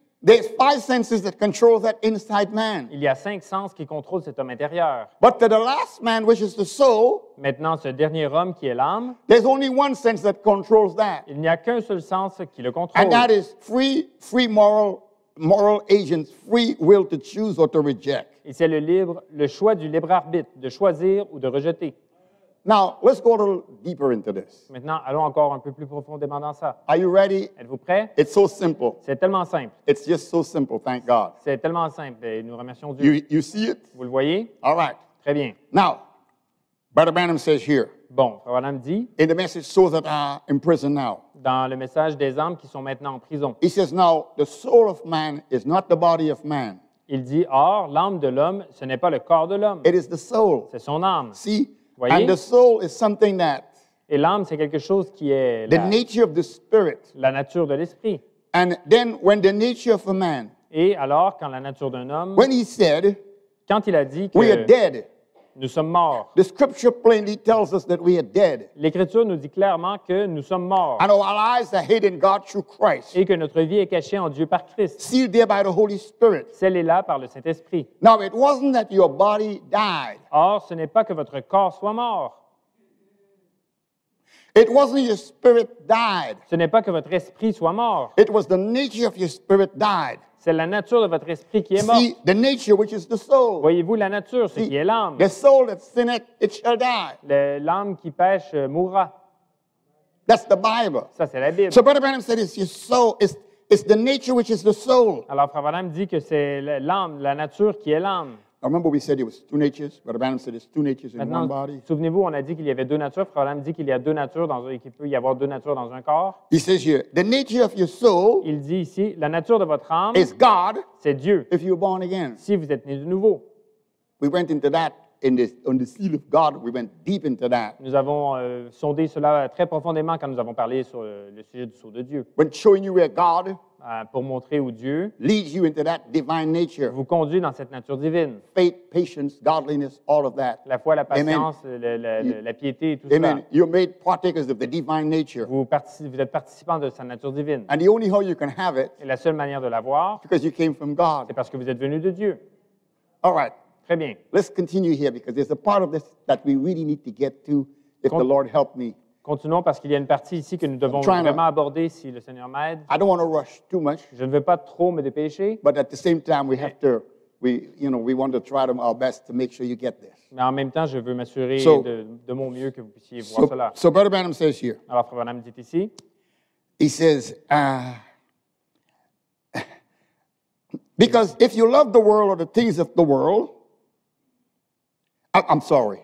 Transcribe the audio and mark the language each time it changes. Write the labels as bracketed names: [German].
[English] There's five senses that control that inside man. [French] Il y a cinq sens qui contrôlent cet homme intérieur. [English] But to the last man, which is the soul, [French] maintenant ce dernier homme qui est l'âme, [English] there's only one sense that controls that. [French] Il n'y a qu'un seul sens qui le contrôle. [English] And that is free moral agents, free will to choose or to reject. [French] Et c'est le choix du libre arbitre, de choisir ou de rejeter. [English] Now, let's go a little deeper into this. [French] Maintenant, allons encore un peu plus profondément dans ça. [English] Are you ready? [French] Êtes-vous prêt? [English] It's so simple. [French] C'est tellement simple. [English] It's just so simple, thank God. [French] C'est tellement simple et nous remercions Dieu. [English] You see it? [French] Vous le voyez? [English] All right. [French] Très bien. [English] Now, Brother Branham says here. [French] Bon, Frère Branham dit. [English] In the message, souls that are in prison now. [French] Dans le message des âmes qui sont maintenant en prison. [English] He says now, the soul of man is not the body of man. [French] Il dit, or, l'âme de l'homme, ce n'est pas le corps de l'homme. [English] It is the soul. [French] C'est son âme. [English] See? [French] Voyez? [English] And the soul is something that. [French] Et l'âme, c'est quelque chose qui est. [English] The nature of the spirit. [French] La nature de l'esprit. [English] And then, when the nature of a man. [French] Et alors, quand la nature d'un homme. [English] When he said. [French] Quand il a dit que. [English] We are dead. [French] Nous sommes morts. [English] The scripture plainly tells us that we are dead. [French] L'écriture nous dit clairement que nous sommes morts. [English] And our lives are hidden God through Christ. [French] Et que notre vie est cachée en Dieu par Christ. [English] Sealed there by the Holy Spirit. [French] Scellée là par le Saint-Esprit. [English] Now it wasn't that your body died. [French] Or, ce n'est pas que votre corps soit mort. [English] It wasn't your spirit died. [French] Ce n'est pas que votre esprit soit mort. [English] It was the nature of your spirit died. [French] C'est la nature de votre esprit qui est mort. [English] See, the nature which is the soul. [French] Voyez-vous la nature, ce qui est l'âme. [English] The soul that sinneth, it shall die. [French] L'âme qui pêche mourra. [English] That's the Bible. [French] Ça, c'est la Bible. [English] So Brother Branham said, it's your soul. It's the nature which is the soul. [French] Alors, Frère Branham dit que c'est l'âme, la nature qui est l'âme. [English] Remember we said it was two natures. Brother Branham said it's two natures in [French] maintenant, [English] one body. [French] Souvenez-vous, on a dit qu'il y avait deux natures. Frère Branham dit qu'il y a deux natures dans et qu'il peut y avoir deux natures dans un corps. [English] He says here, the nature of your soul. [French] Il dit ici, la nature de votre âme. [English] Is God. [French] C'est Dieu. [English] If you're born again. [French] Si vous êtes né de nouveau. [English] We went into that in this on the seal of God. We went deep into that. [French] Nous avons sondé cela très profondément quand nous avons parlé sur le sujet du sceau de Dieu. [English] When showing you where God. [French] Pour montrer où Dieu [English] leads you into that divine nature. [French] Vous conduit dans cette nature divine. [English] Faith, patience, godliness, all of that. [French] La foi, la patience, la piété, tout amen. Ça. [English] Amen. You're made partakers of the divine nature. [French] Vous êtes participants de sa nature divine. [English] And the only how you can have it. [French] Et la seule manière de l'avoir. [English] Because you came from God. [French] C'est parce que vous êtes venu de Dieu. [English] All right. [French] Très bien. [English] Let's continue here because there's a part of this that we really need to get to if the Lord helped me. [French] Continuons parce qu'il y a une partie ici que nous devons vraiment aborder si le Seigneur m'aide. [English] I don't want to rush too much. [French] Je ne veux pas trop me dépêcher. [English] But at the same time, we have to, we, you know, we want to try our best to make sure you get this. [French] Mais en même temps, je veux m'assurer de mon mieux que vous puissiez voir cela. [English] So Brother Branham says here. [French] Alors, Frère Branham dit ici. [English] He says, because if you love the world or the things of the world, I'm sorry.